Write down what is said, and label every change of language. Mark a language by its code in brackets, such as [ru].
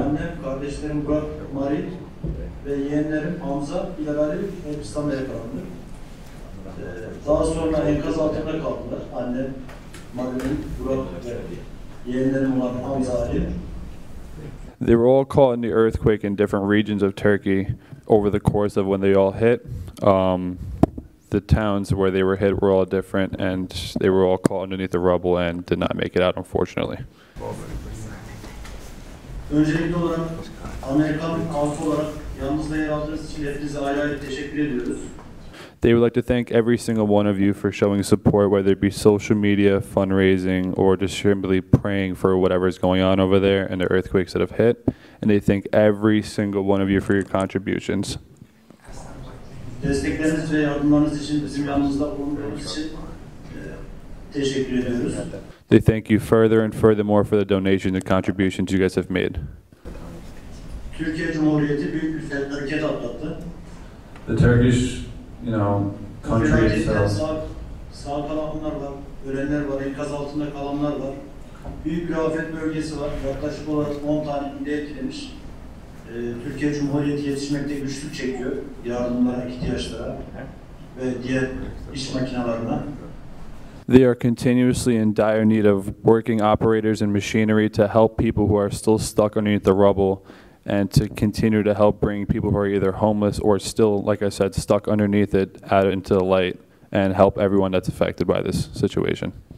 [tr] Annem, kardeşlerim Burak, Mari ve yeğenlerim Hamza, Bilal'i Elbistan'da yakalandı. Daha sonra enkaz altında kaldılar. Annem, Mari'nin, Burak ve yeğenlerim olan Hamza Ali. [en] They were all caught in the earthquake in different regions of Turkey over the course of when they all hit. The towns where they were hit were all different, and they were all caught underneath the rubble and did not make it out, unfortunately. [tr] Öncelikli olarak Amerikan halkı olarak yanımızda yer aldığınız için hepinize ayrı ayrı teşekkür ediyoruz. [en] They would like to thank every single one of you for showing support, whether it be social media, fundraising, or just simply praying for whatever is going on over there and the earthquakes that have hit. And they thank every single one of you for your contributions. [tr] Destekleriniz ve yardımlarınız için bizim yanımızda bulunduğunuz için teşekkür ediyoruz. [en] They thank you further and furthermore for the donations and contributions you guys have made. [tr] Türkiye Cumhuriyeti büyük bir felaket atlattı. [en] The Turkish, country itself. [tr] Sağ kalanlar var, ölenler var, enkaz altında kalanlar var. Büyük bir afet bölgesi var. Yaklaşık olarak 10 tane ilde etkilemiş. Türkiye Cumhuriyeti yetişmekte güçlük çekiyor yardımlara, ihtiyaçlara ve diğer iş makinalarına. [en] They are continuously in dire need of working operators and machinery to help people who are still stuck underneath the rubble and to continue to help bring people who are either homeless or still, like I said, stuck underneath it out into the light and help everyone that's affected by this situation.